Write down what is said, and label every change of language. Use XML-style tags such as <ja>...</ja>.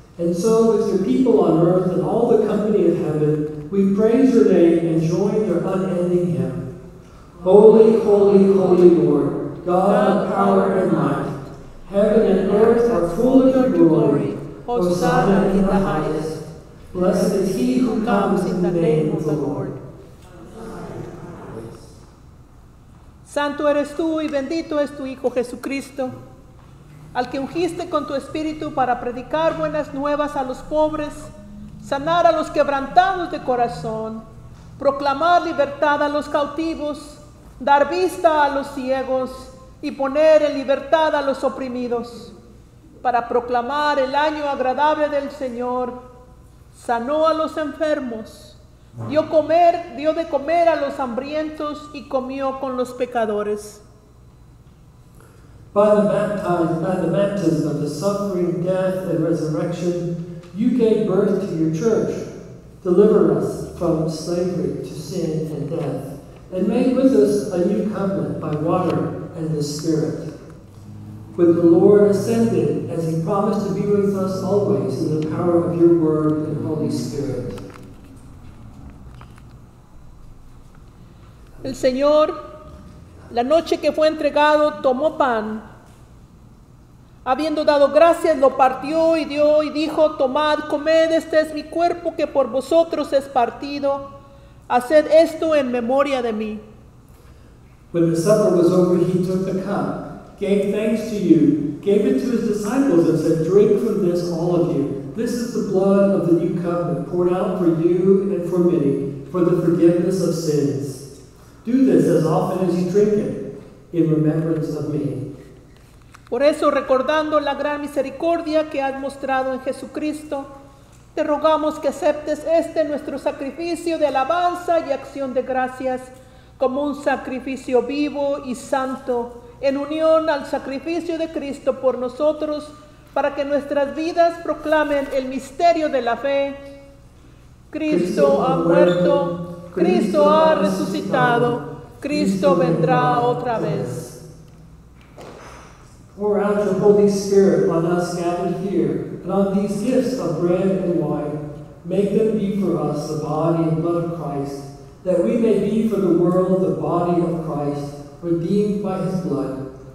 <en>And so, with your people on earth and all the company of heaven, we praise your name and join your unending hymn. Holy, holy, holy Lord, God of power and might, heaven and earth are full of your glory. Hosanna in the highest. Blessed is he who comes in the name of the Lord.</en> <es>Santo eres tú y bendito es tu Hijo Jesucristo, al que ungiste con tu espíritu para predicar buenas nuevas a los pobres, sanar a los quebrantados de corazón, proclamar libertad a los cautivos, dar vista a los ciegos y poner en libertad a los oprimidos, para proclamar el año agradable del Señor, sanó a los enfermos, dio de comer a los hambrientos y comió con los pecadores.</es> <en>By the baptism of the suffering, death, and resurrection, you gave birth to your church. Deliver us from slavery to sin and death, and make with us a new covenant by water and the Spirit. When the Lord ascended, as he promised to be with us always in the power of your word and Holy Spirit.</en> <es>El Señor, la noche que fue entregado, tomó pan. Habiendo dado gracias, lo partió y dio y dijo, tomad, comed, este es mi cuerpo que por vosotros es partido. Haced esto en memoria de mí.</es> <en>When the supper was over, he took the cup, gave thanks to you, gave it to his disciples and said, drink from this, all of you. This is the blood of the new covenant poured out for you and for many for the forgiveness of sins. Do this as often as you drink it in remembrance of me.</en> <es>Por eso, recordando la gran misericordia que has mostrado en Jesucristo, te rogamos que aceptes este nuestro sacrificio de alabanza y acción de gracias como un sacrificio vivo y santo en unión al sacrificio de Cristo por nosotros para que nuestras vidas proclamen el misterio de la fe. Cristo ha muerto, Cristo ha resucitado, Cristo vendrá otra vez.</es> <en>Pour out your Holy Spirit on us gathered here, and on these gifts of bread and wine. Make them be for us the body and blood of Christ, that we may be for the world the body of Christ, redeemed by his blood.</en>